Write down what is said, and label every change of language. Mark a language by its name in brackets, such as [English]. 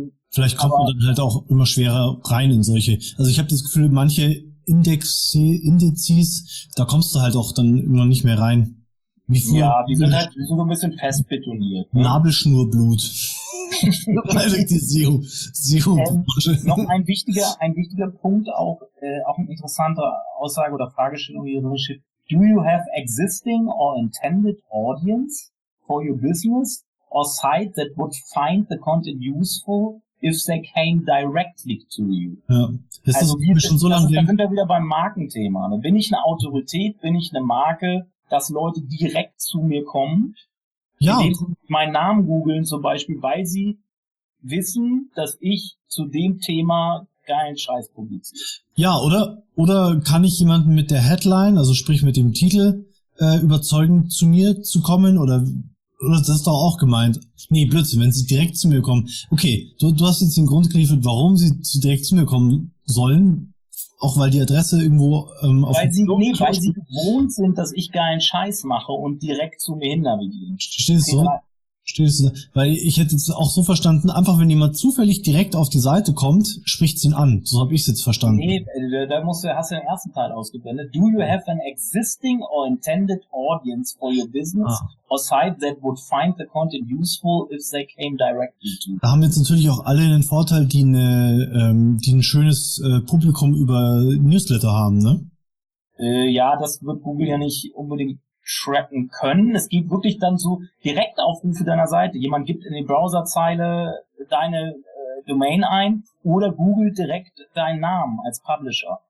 [German] Vielleicht kommt man dann halt auch immer schwerer rein in solche. Also ich habe das Gefühl, manche Indizes, da kommst du halt auch dann immer nicht mehr rein. Wie früher, die sind halt so ein bisschen festbetoniert. Ne? Nabelschnurblut. Privatisierung. Noch ein wichtiger Punkt, auch eine interessante Aussage oder Fragestellung hier drin steht. [English] Do you have existing or intended audience for your business or site that would find the content useful if they came directly to you? [German] Ja, ist also das wir, schon so lange. Dann sind wir wieder beim Markenthema. Ne? Bin ich eine Autorität, bin ich eine Marke, dass Leute direkt zu mir kommen, ja, indem sie meinen Namen googeln zum Beispiel, weil sie wissen, dass ich zu dem Thema geilen Scheiß publiziere. Ja, oder kann ich jemanden mit der Headline, also sprich mit dem Titel, überzeugen, zu mir zu kommen? Oder das ist doch auch gemeint. Nee, Blödsinn, wenn sie direkt zu mir kommen. Okay, du hast jetzt den Grund geliefert, warum sie direkt zu mir kommen sollen. Auch weil die Adresse irgendwo auf dem Blog. Weil sie gewohnt sind, dass ich geilen Scheiß mache und direkt zu mir hin navigieren. Stehst du so? Weil ich hätte es auch so verstanden, einfach wenn jemand zufällig direkt auf die Seite kommt, spricht sie ihn an. So habe ich es jetzt verstanden. Nee, hast du den ersten Teil ausgeblendet. [English] Do you have an existing or intended audience for your business or site that would find the content useful if they came directly to you? [German] Da haben jetzt natürlich auch alle einen Vorteil, die ein schönes Publikum über Newsletter haben, ne? Ja, das wird Google ja nicht unbedingt tracken können. Es gibt wirklich dann so Direktaufrufe deiner Seite. Jemand gibt in die Browserzeile deine Domain ein oder googelt direkt deinen Namen als Publisher.